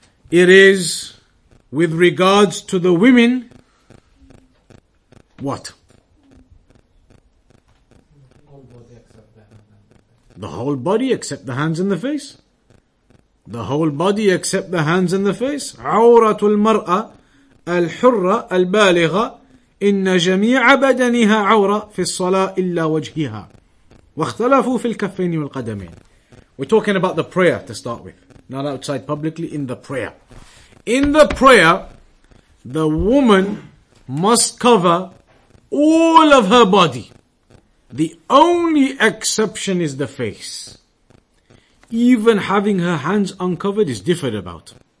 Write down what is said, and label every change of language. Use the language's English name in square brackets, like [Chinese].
[English] It is, with regards to the women, what? The whole body except the hands and the face. The whole body except the hands and the face. [Arabic] عورت المرأة الحرة البالغة إن جميع بدنها عورة في الصلاة إلا وجهها واختلفوا في الكفين والقدمين. [English] We're talking about the prayer to start with. Not outside publicly, in the prayer. In the prayer, the woman must cover all of her body. The only exception is the face. Even having her hands uncovered is differed about.